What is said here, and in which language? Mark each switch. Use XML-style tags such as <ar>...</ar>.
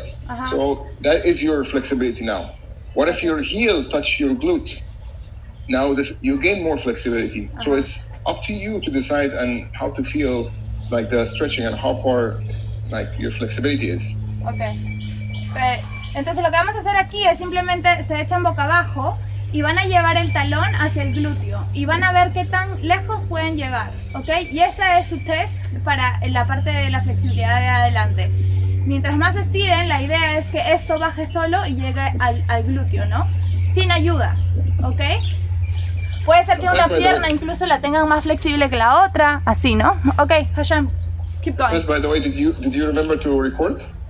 <en>Uh-huh. So that is your flexibility now. What if your heel touch your glute? Now this, you gain more flexibility. Uh-huh. So it's up to you to decide and how to feel like the stretching and how far like your flexibility is. Okay.</en> <es>Entonces lo que vamos a hacer aquí es simplemente se echan boca abajo y van a llevar el talón hacia el glúteo y van a ver qué tan lejos pueden llegar, ¿ok? Y ese es su test para la parte de la flexibilidad de adelante. Mientras más estiren, la idea es que esto baje solo y llegue al glúteo, ¿no? Sin ayuda, ¿ok? Puede ser que una pierna incluso la tengan más flexible que la otra, así, ¿no?</es> <en>Ok, Hashem, keep going. Yes, by the way, did you remember to record?</en>